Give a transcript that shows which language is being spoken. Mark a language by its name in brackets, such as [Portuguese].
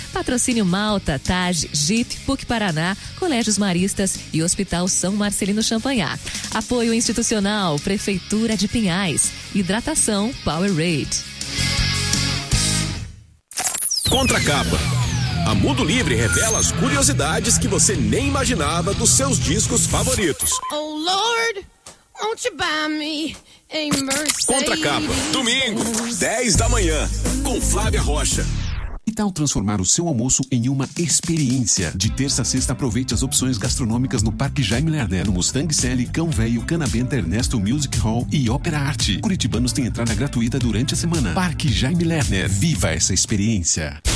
[Portuguese] Patrocínio Malta, Taj, Jeep, PUC Paraná, Colégios Maristas e Hospital São Marcelino Champagnat. Apoio institucional, Prefeitura de Pinhais. Hidratação, Powerade. Contra capa. A Mundo Livre revela as curiosidades que você nem imaginava dos seus discos favoritos. [English] Oh Lord, won't you buy me a Mercedes? [Portuguese] Contra capa. Domingo, 10 da manhã, com Flávia Rocha. Que tal transformar o seu almoço em uma experiência? De terça a sexta, aproveite as opções gastronômicas no Parque Jaime Lerner, no Mustang Sally, Cão Velho, Canabenta, Ernesto Music Hall e Ópera Arte. Curitibanos têm entrada gratuita durante a semana. Parque Jaime Lerner, viva essa experiência!